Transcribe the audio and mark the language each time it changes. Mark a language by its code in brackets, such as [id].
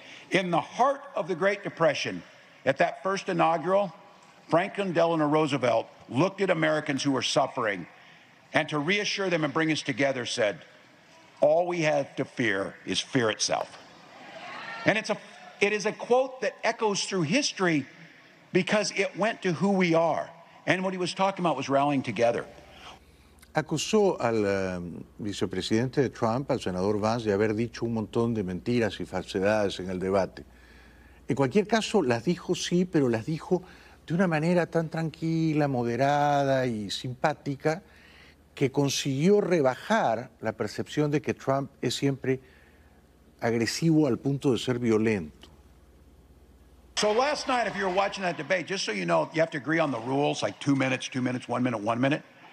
[en] In the heart of the Great Depression, at that first inaugural, Franklin Delano Roosevelt looked at Americans who were suffering and to reassure them and bring us together said, all we have to fear is fear itself. And it is a quote that echoes through history because it went to who we are. And what he was talking about was rallying together. [es] Acusó al vicepresidente de Trump, al senador Vance, de haber dicho un montón de mentiras y falsedades en el debate. En cualquier caso, las dijo sí, pero las dijo de una manera tan tranquila, moderada y simpática que consiguió rebajar la percepción de que Trump es siempre agresivo al punto de ser violento. [en] So last night, if you were watching that debate, just so you know, you have to agree on the rules, like two minutes, one minute.